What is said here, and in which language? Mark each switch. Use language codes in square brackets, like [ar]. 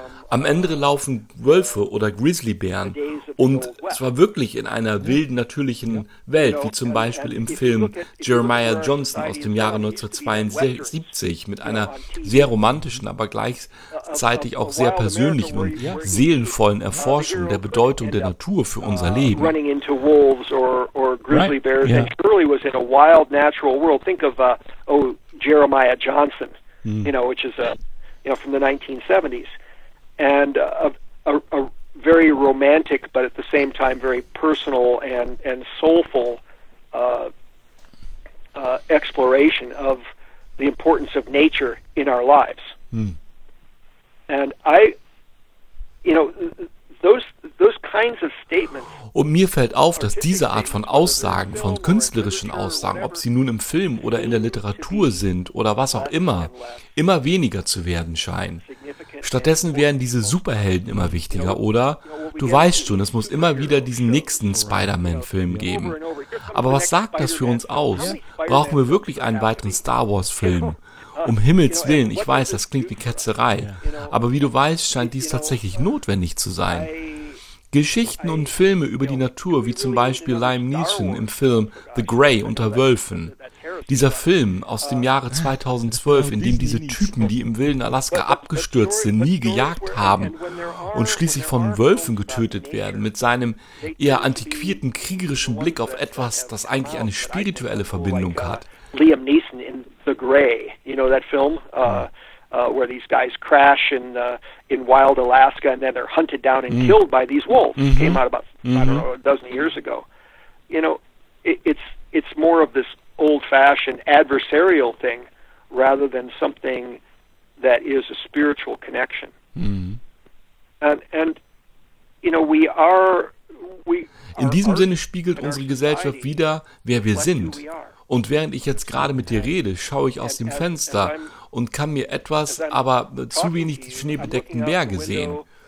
[de] Am Ende laufen Wölfe oder Grizzlybären und zwar wirklich in einer wilden, natürlichen Welt, wie zum Beispiel im Film Jeremiah Johnson aus dem Jahre 1972 mit einer sehr romantischen, aber gleichzeitig auch sehr persönlichen und seelenvollen Erforschung der Bedeutung der Natur für unser Leben. [en] Running into wolves or grizzly bears, and surely was in a wild natural world. Think of Jeremiah Johnson, you know, which is from the 1970s. And a very romantic, but at the same time very personal and soulful exploration of the importance of nature in our lives. And I, you know, those kinds of statements. [de] Und mir fällt auf, dass diese Art von Aussagen, von künstlerischen Aussagen, ob sie nun im Film oder in der Literatur sind oder was auch immer, immer weniger zu werden scheinen. Stattdessen werden diese Superhelden immer wichtiger, oder? Du weißt schon, es muss immer wieder diesen nächsten Spider-Man-Film geben. Aber was sagt das für uns aus? Brauchen wir wirklich einen weiteren Star-Wars-Film? Um Himmels Willen, ich weiß, das klingt wie Ketzerei. Aber wie du weißt, scheint dies tatsächlich notwendig zu sein. Geschichten und Filme über die Natur, wie zum Beispiel Liam Neeson im Film The Grey unter Wölfen. Dieser Film aus dem Jahre 2012, in dem diese Typen, die im wilden Alaska abgestürzt sind, nie gejagt haben und schließlich von Wölfen getötet werden, mit seinem eher antiquierten, kriegerischen Blick auf etwas, das eigentlich eine spirituelle Verbindung hat. [en] Liam Neeson in The Grey, you know that film, where these guys crash in wild Alaska and then they're hunted down and killed by these wolves. Came out about, I don't know, a dozen years ago. You know, it's more of this old-fashioned adversarial thing rather than something that is a spiritual connection. [de] In diesem Sinne spiegelt unsere Gesellschaft wieder, wer wir sind. Und während ich jetzt gerade mit dir rede, schaue ich aus dem Fenster und kann mir etwas, aber zu wenig die schneebedeckten Berge sehen.